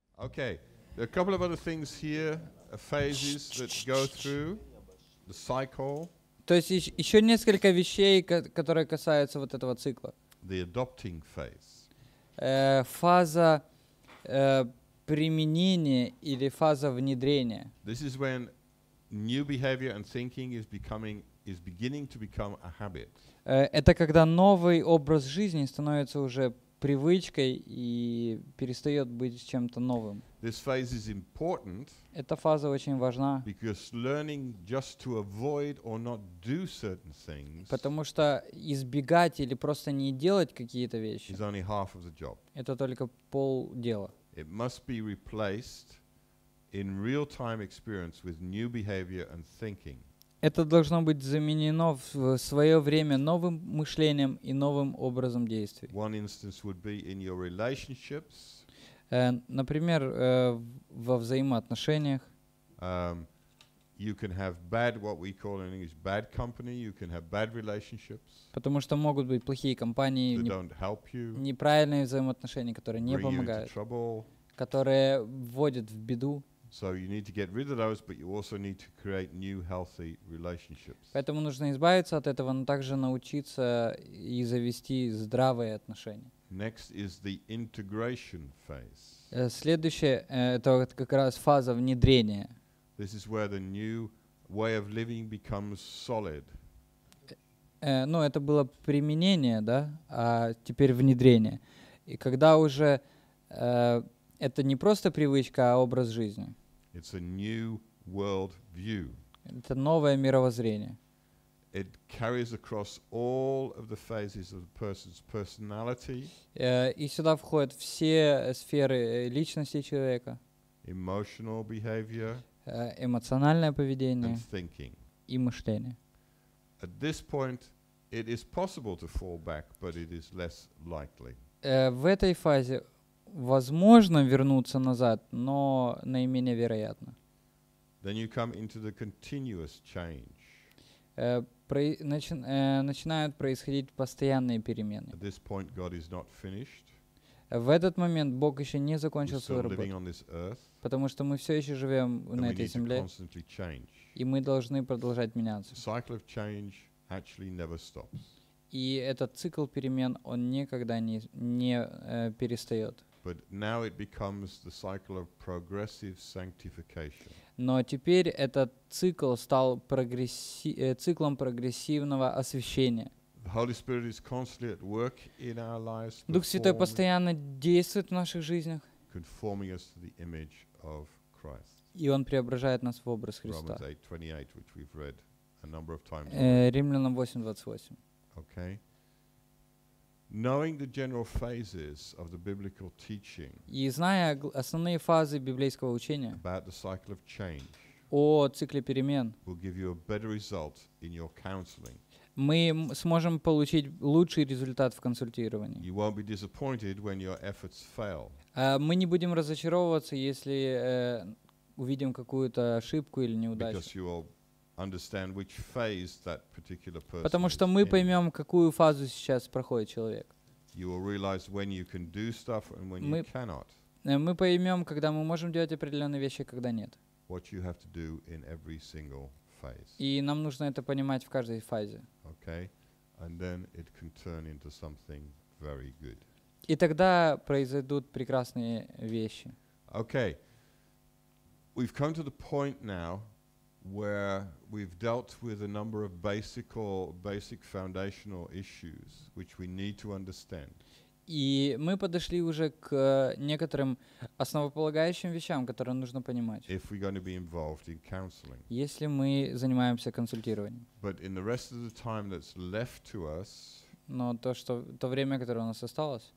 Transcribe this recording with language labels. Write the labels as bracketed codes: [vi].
[en] Okay, there are a couple of other things here, phases that go through the cycle. [ru] То есть еще несколько вещей, которые касаются вот этого цикла. [en] The adopting phase. [ru] Фаза применения или фаза внедрения. [en] This is when new behavior and thinking is becoming is beginning to become a habit. [ru] Это когда новый образ жизни становится уже привычкой и перестает быть чем-то новым. [en] This phase is important. [ru] Эта фаза очень важна. [en] Because learning just to avoid or not do certain things. [ru] Потому что избегать или просто не делать какие-то вещи. [en] Is only half of the job. [ru] Это только пол дела. [en] It must be replaced in real-time experience with new behavior and thinking. [ru] Это должно быть заменено в свое время новым мышлением и новым образом действий. [en] One instance would be in your relationships. [ru] Например, во взаимоотношениях. [en] You can have bad, what we call in English, bad company. You can have bad relationships. [ru] Потому что могут быть плохие компании, неправильные взаимоотношения, которые не помогают, которые вводят в беду. [en] So you need to get rid of those, but you also need to create new healthy relationships. [ru] Поэтому нужно избавиться от этого, но также научиться и завести здравые отношения. [en] Next is the integration phase. [ru] Следующее это как раз фаза внедрения. [en] This is where the new way of living becomes solid. [ru] Ну, это было применение, да, а теперь внедрение. И когда уже это не просто привычка, а образ жизни. [en] It's a new world view. [ru] Это новое мировоззрение. [en] It carries across all of the phases of the person's personality. [ru] И сюда входят все сферы личности человека. [en] Emotional behavior. [ru] Эмоциональное поведение. [en] And thinking. [ru] И мышление. [en] At this point, it is possible to fall back, but it is less likely. [ru] В этой фазе возможно вернуться назад, но наименее вероятно. [en] Then you come into the continuous change. [ru] Начинают происходить постоянные перемены. [en] At this point God is not finished. [ru] В этот момент Бог еще не закончил свою работу. Потому что мы все еще живем на этой земле. И мы должны продолжать меняться. [en] Cycle of change actually never stops. [ru] И этот цикл перемен, он никогда не перестает. [en] But now it becomes the cycle of progressive sanctification. [ru] Но теперь этот цикл стал циклом прогрессивного освящения. [en] The Holy Spirit is constantly at work in our lives. [ru] Дух Святой постоянно действует в наших жизнях. [en] Conforming us to the image of Christ. [ru] И он преображает нас в образ Христа. [en] Romans 8:28, which we've read a number of times. [ru] Римлянам 8:28. [en] Okay. Knowing the general phases of the biblical teaching. [ru] И зная основные фазы библейского учения. [en] About the cycle of change. [ru] О цикле перемен. [en] Will give you a better result in your counseling. [ru] Мы сможем получить лучший результат в консультировании. [en] You won't be disappointed when your efforts fail. [ru] Мы не будем разочаровываться, если увидим какую-то ошибку или неудачу. [en] Because you will understand which phase that particular person. [ru] Потому что мы поймем, какую фазу сейчас проходит человек. [en] You will realize when you can do stuff and when you cannot. [ru] Мы поймем, когда мы можем делать определенные вещи, когда нет. [en] What you have to do in every single phase. [ru] И нам нужно это понимать в каждой фазе. [en] Okay, and then it can turn into something very good. [ru] И тогда произойдут прекрасные вещи. [en] Okay, we've come to the point now where we've dealt with a number of basic foundational issues which we need to understand. [ru] И мы подошли уже к некоторым основополагающим вещам, которые нужно понимать. [en] If we're going to be involved in counseling. [ru] Если мы занимаемся консультированием. [en] But in the rest of the time that's left to us. [ru] Но то время, которое у нас осталось.